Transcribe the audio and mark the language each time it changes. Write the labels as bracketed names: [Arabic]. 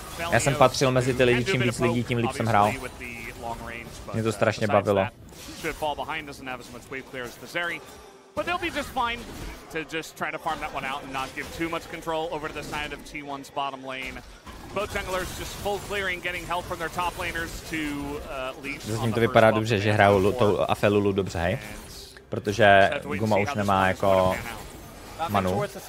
[Czech] Já jsem patřil mezi ty lidi, čím víc lidí, tím líp jsem hrál. Mě to strašně bavilo. [English] Should fall behind, doesn't have as much wave clear as the Zeri, but they'll be just fine to just try to farm that one out and not give too much control over to the side of T1's bottom lane. Both junglers just full clearing, getting help from their top laners to leech. [Czech] Zatím to vypadá dobře, že hrajou tou Afe Lulu dobře, hej? Protože Guma už nemá jako manu.